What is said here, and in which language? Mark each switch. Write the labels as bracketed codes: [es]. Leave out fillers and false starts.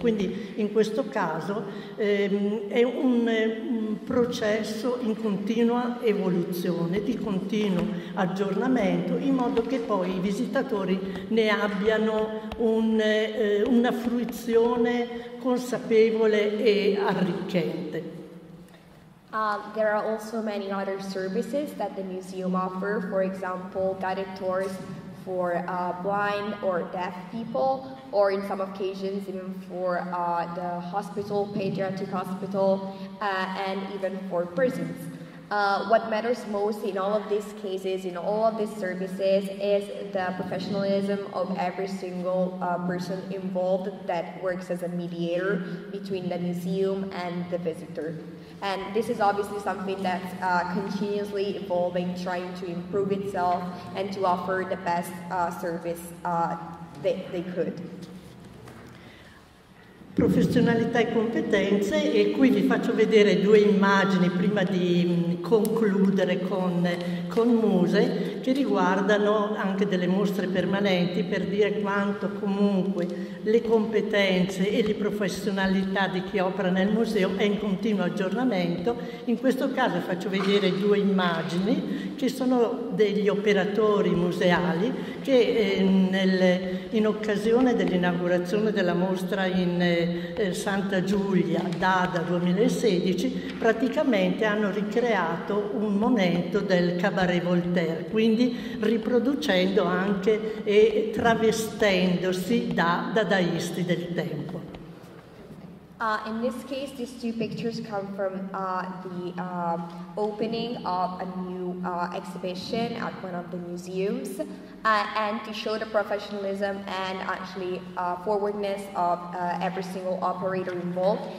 [it] Quindi in questo caso è un processo in continua evoluzione, di continuo aggiornamento, in modo che poi i visitatori ne abbiano una fruizione consapevole e arricchente. [en] There are also many other services that the museum offer, for example, guided tours for blind or deaf people, or in some occasions even for the hospital, pediatric hospital, and even for prisons. What matters most in all of these cases, in all of these services, is the professionalism of every single person involved that works as a mediator between the museum and the visitor. And this is obviously something that's continuously evolving, trying to improve itself and to offer the best service they could. [it] Professionalità e competenze, e qui vi faccio vedere due immagini prima di concludere con Muse, che riguardano anche delle mostre permanenti, per dire quanto comunque le competenze e le professionalità di chi opera nel museo è in continuo aggiornamento. In questo caso faccio vedere due immagini che sono degli operatori museali che in occasione dell'inaugurazione della mostra in Santa Giulia Dada 2016 praticamente hanno ricreato un momento del Cabaret Voltaire, quindi riproducendo anche e travestendosi da dadaisti del tempo. [en] In this case, these two pictures come from the opening of a new exhibition at one of the museums, and to show the professionalism and actually forwardness of every single operator involved.